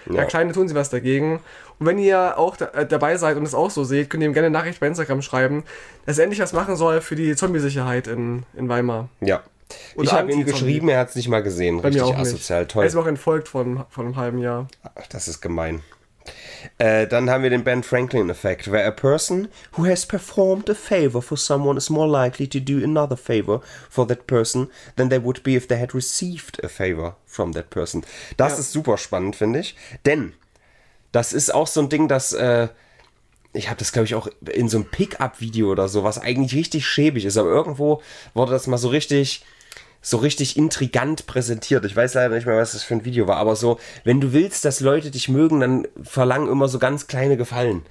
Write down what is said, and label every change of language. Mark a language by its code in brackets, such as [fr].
[de] Ja, Kleine, tun sie was dagegen. Und wenn ihr auch dabei seid und es auch so seht, könnt ihr ihm gerne eine Nachricht bei Instagram schreiben, dass er endlich was machen soll für die Zombie-Sicherheit in Weimar. Ja. Oder ich habe ihm geschrieben, er hat es nicht mal gesehen. Bei richtig asozial, nicht. Toll. Er ist auch entfolgt von einem halben Jahr. Ach, das ist gemein. Dann haben wir den Ben Franklin-Effekt. [en] Where a person who has performed a favor for someone is more likely to do another favor for that person than they would be if they had received a favor from that person. [de] Das ist super spannend, finde ich. Denn das ist auch so ein Ding, dass ich habe das, glaube ich, auch in so einem Pickup-Video oder so, was eigentlich richtig schäbig ist. Aber irgendwo wurde das mal so richtig intrigant präsentiert. Ich weiß leider nicht mehr, was das für ein Video war. Aber so, wenn du willst, dass Leute dich mögen, dann verlangen immer so ganz kleine Gefallen.